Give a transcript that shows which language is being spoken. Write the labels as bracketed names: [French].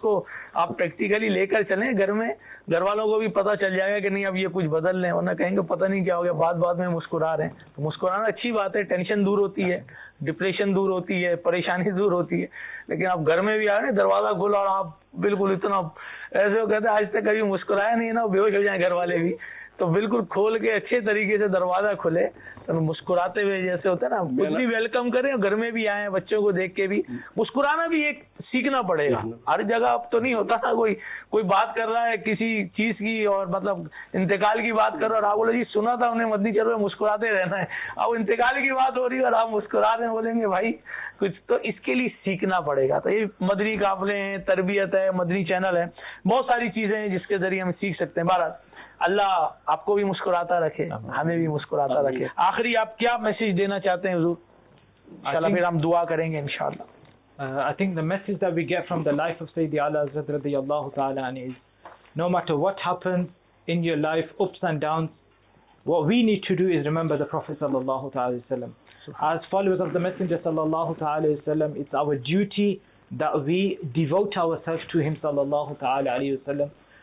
[English] So, you take it a little bit, you practically take it in the house. The people also know that they will change something. They will say, I don't know what happened. They will be laughing. So, laughing is a good thing. Tension is gone. Depression is gone. Frustration is gone. But you come to the house, you open the door, and you are completely so... [Hindi] ऐसे वो कहते आज तक कभी मुस्कुराया नहीं ना, बेहोश हो जाए घर वाले भी, तो बिल्कुल खोल के अच्छे तरीके से दरवाजा खुले, तो मुस्कुराते हुए जैसे होता है ना, खुद भी वेलकम करें, घर में भी आए, बच्चों को देख के भी मुस्कुराना भी एक सीखना पड़ेगा. हर जगह अब तो नहीं होता ना, कोई बात कर रहा है किसी चीज की और मतलब इंतकाल की बात कर रहा है, आप बोले जी सुना था उन्हें, मदनी चलो मुस्कुराते रहना है. अब इंतकाल की बात हो रही है और आप मुस्कुरा रहे हैं, बोलेंगे भाई कुछ तो इसके लिए सीखना पड़ेगा. तो ये मदनी काफले हैं, तरबियत है, मदनी चैनल है, बहुत सारी चीजें हैं जिसके जरिए हम सीख सकते हैं. भारत अल्लाह आपको भी मुस्कुराता रखे, हमें भी मुस्कुराता रखे. आखिरी आप क्या मैसेज देना चाहते हैं हुजूर? इंशाल्लाह फिर हम दुआ करेंगे इंशाल्लाह. [English] I think the message that we get from the life of Sayyidi Ala Hazrat radiyallahu ta'ala anhu is, no matter what happens in your life, ups and downs, what we need to do is remember the Prophet sallallahu ta'ala wasallam. As followers of the Messenger sallallahu ta'ala wasallam, it's our duty that we devote ourselves to him sallallahu ta'ala alayhi wasallam.